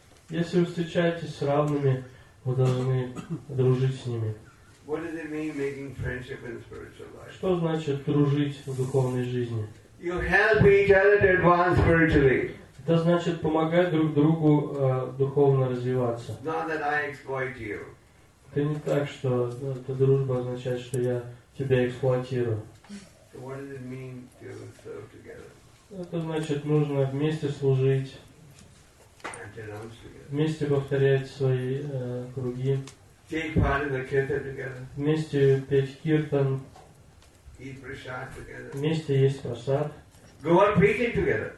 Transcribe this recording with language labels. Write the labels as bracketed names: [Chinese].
[Russian] Если вы встречаетесь с равными, вы должны дружить с ними. [English] What does it mean, making friendship in spiritual life? [Russian] Что значит дружить в духовной жизни? [English] You help each other to advance spiritually. [Russian] Это значит помогать друг другу духовно развиваться. [English] Not that I exploit you. [Russian] Это не так, что эта дружба означает, что я тебя эксплуатирую. [English] So what does it mean to serve together? [Russian] Это значит, нужно вместе служить, [English] and to announce together. [Russian] Вместе повторять свои круги. [English] take part in the kirtan together. [Russian] Вместе петь киртан. [English] Eat prasad together. [Russian] Вместе есть прасад. [English] Go on preaching together.